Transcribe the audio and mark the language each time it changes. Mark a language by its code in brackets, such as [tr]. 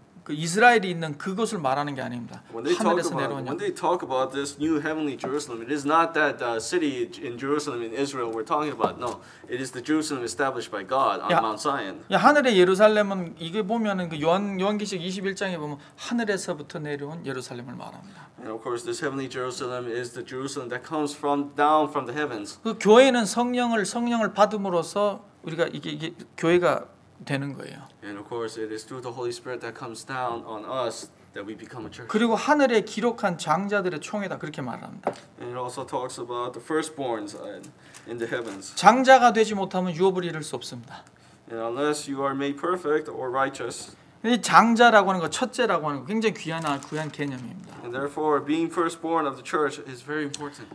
[ko] 그 이스라엘이 있는 그곳을 말하는 게 아닙니다. 하늘에서 내려온 [en] When they talk about this new heavenly Jerusalem, it is not that city in Jerusalem in Israel we're talking about. No, it is the Jerusalem established by God on Mount Zion. [ko] 야, 하늘의 예루살렘은 이게 보면은 그 요한계시록 21장에 보면 하늘에서부터 내려온 예루살렘을 말합니다. [en] And of course, this heavenly Jerusalem is the Jerusalem that comes from down from the heavens. [ko] 그 교회는 성령을 받음으로써 우리가 이게 교회가 되는 거예요. [en] And of course, it is through the Holy Spirit that comes down on us that we become a church. [ko] 그리고 하늘에 기록한 장자들의 총회다 그렇게 말합니다. [en] And it also talks about the firstborns in the heavens. [ko] 장자가 되지 못하면 유업을 이룰 수 없습니다. [en] And unless you are made perfect or righteous. [ko] 이 장자라고 하는 거, 첫째라고 하는 거 굉장히 귀한 개념입니다. [en] And therefore, being firstborn of the church is very important.